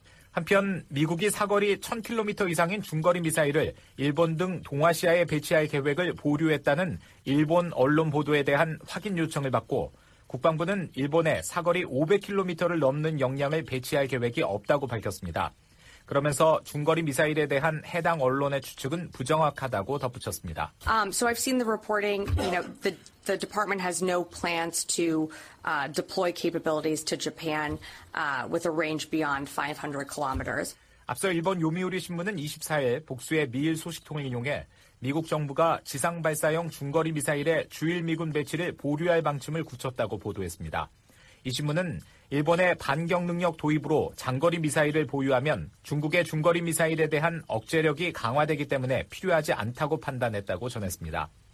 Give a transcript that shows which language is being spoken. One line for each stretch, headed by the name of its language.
Korean: 한편 미국이 사거리 1,000km 이상인 중거리 미사일을 일본 등 동아시아에 배치할 계획을 보류했다는 일본 언론 보도에 대한 확인 요청을 받고 국방부는 일본에 사거리 500km를 넘는 역량을 배치할 계획이 없다고 밝혔습니다. 그러면서 중거리 미사일에 대한 해당 언론의 추측은 부정확하다고 덧붙였습니다.
English: So I've seen the reporting, you know, the department has no plans to deploy capabilities to Japan with a range beyond 500 kilometers.
Korean: 앞서 일본 요미우리 신문은 24일 복수의 미일 소식통을 인용해 미국 정부가 지상 발사용 중거리 미사일의 주일 미군 배치를 보류할 방침을 굳혔다고 보도했습니다. 이 질문은 일본의 반격 능력 도입으로 장거리 미사일을 보유하면 중국의 중거리 미사일에 대한 억제력이 강화되기 때문에 필요하지 않다고 판단했다고 전했습니다.